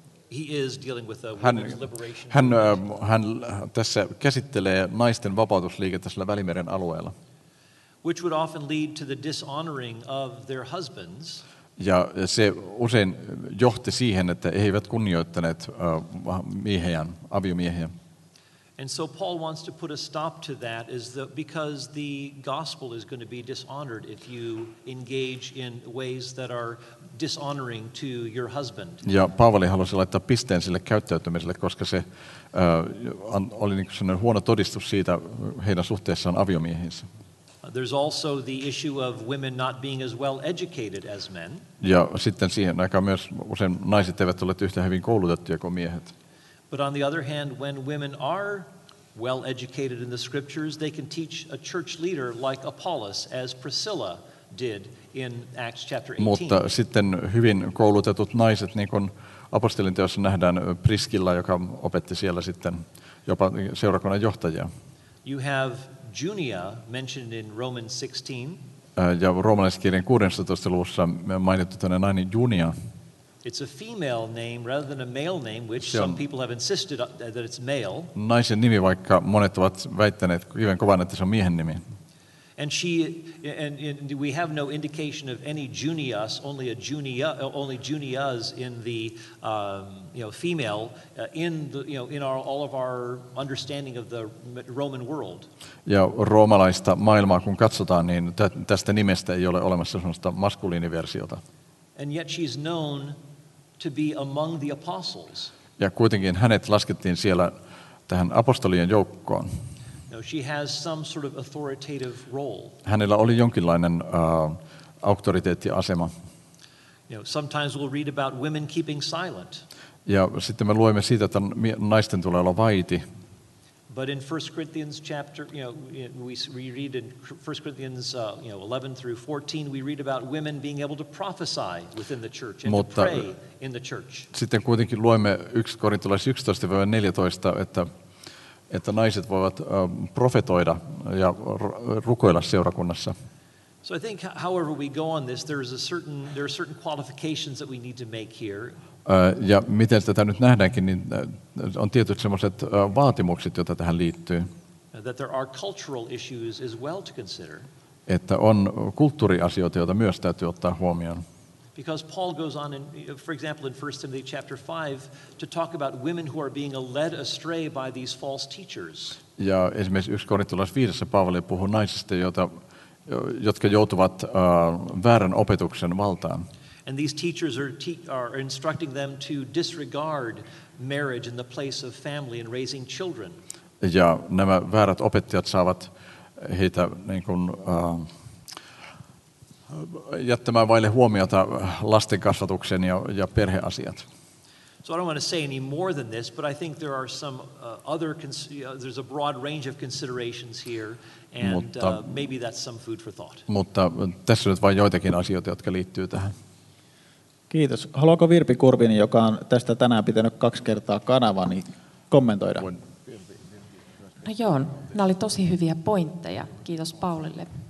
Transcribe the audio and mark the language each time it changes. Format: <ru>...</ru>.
<en>he is dealing with a women's liberation movement.</en> <fi>Hän tässä käsittelee naisten vapautusliikettä tällä Välimeren alueella.</fi> <en>Which would often lead to the dishonoring of their husbands.</en> <fi>Ja se usein johti siihen, että he eivät kunnioittaneet miehiään, aviomiehiä.</fi> <en>And so Paul wants to put a stop to that is the, because the gospel is going to be dishonored if you engage in ways that are dishonoring to your husband.</en> <fi>Ja Paavali halusi laittaa pisteen sille käyttäytymiselle, koska se oli niin kuin sellainen huono todistus siitä heidän suhteessaan aviomiehiinsä.</fi> <en>There's also the issue of women not being as well educated as men.</en> <fi>Ja sitten siihen aikaan myös usein naiset eivät ole yhtä hyvin koulutettuja kuin miehet.</fi> <en>But on the other hand, when women are well educated in the scriptures, they can teach a church leader like Apollos, as Priscilla did in Acts chapter 18.</en> <fi>Mutta sitten hyvin koulutetut naiset, niin kuin apostelin teossa nähdään Priskilla, joka opetti siellä sitten jopa seurakunnan johtajia.</fi> <en>You have Junia mentioned in Romans 16.</en> <fi>Ja roomalaiskirjan 16. luvussa mainittu tänne nainen Junia.</fi> <en>It's a female name rather than a male name, which some people have insisted that it's male.</en> <fi>Naisen nimi, vaikka monet ovat väittäneet hyvin kovan, että se on miehen nimi.</fi> <en>And we have no indication of any Junias, only Junias in the female in all of our understanding of the Roman world.</en> <fi>Ja roomalaista maailmaa kun katsotaan, niin tästä nimestä ei ole olemassa sellaista maskuliiniversiota.</fi> <en>And yet she's known to be among the apostles.</en> <fi>Ja kuitenkin hänet laskettiin siellä tähän apostolien joukkoon.</fi> <en>No, she has some sort of authoritative role.</en> <fi>Hänellä oli jonkinlainen auktoriteettiasema.</fi> <en>Sometimes we'll read about women keeping silent.</en> <fi>Ja sitten me luemme siitä, että naisten tulee olla vaiti.</fi> <en>But in 1 Corinthians chapter, we read in 1 Corinthians 11 through 14, we read about women being able to prophesy within the church and</en> <fi>mutta</fi> <en>to pray in the church.</en> <fi>Sitten kuitenkin luemme 1 Korintolais 11-14, että naiset voivat profetoida ja rukoilla seurakunnassa.</fi> <en>So I think however we go on this, there are certain qualifications that we need to make here.</en> <fi>Ja miten tätä nyt nähdäänkin, niin on tietyt semmoiset vaatimukset, joita tähän liittyy.</fi> <en>That there are cultural issues as well to consider.</en> <fi>Että on kulttuuriasioita, joita myös täytyy ottaa huomioon.</fi> <en>Because Paul goes on, for example, in 1 Timothy chapter 5, to talk about women who are being led astray by these false teachers.</en> <fi>Ja esimerkiksi 1 Korintolais 5. Paavali puhuu naisista, jotka joutuvat väärän opetuksen valtaan.</fi> <en>And these teachers are instructing them to disregard marriage in the place of family and raising children.</en> <fi>Ja nämä väärät opettajat saavat heitä niin kuin jättämään vaille huomiota lasten kasvatuksen ja perheasiat.</fi> <en>So I don't want to say any more than this, but I think there are some there's a broad range of considerations here, and</en> <fi>mutta,</fi> <en>maybe that's some food for thought.</en> <fi>Mutta tässä nyt vain joitakin asioita, jotka liittyy tähän. Kiitos. Haluaako Virpi Kurvinen, joka on tästä tänään pitänyt 2 kertaa kanavaa, niin kommentoida? No joo, nämä oli tosi hyviä pointteja. Kiitos Paulille.</fi>